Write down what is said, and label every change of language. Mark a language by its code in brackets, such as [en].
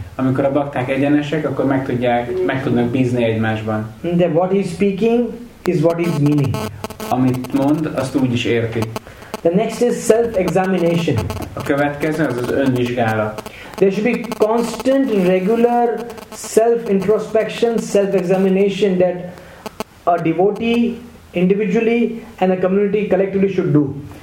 [hu] Amikor a bakták egyenesek, akkor meg tudnak bízni egymásban. [en] That what he's speaking is what he's meaning. [hu] Amit mond, azt úgy is érti. [en] The next is self-examination. [hu] A következő az az önvizsgálat. [en] There should be constant, regular self-introspection, self-examination that a devotee individually and a community collectively should do.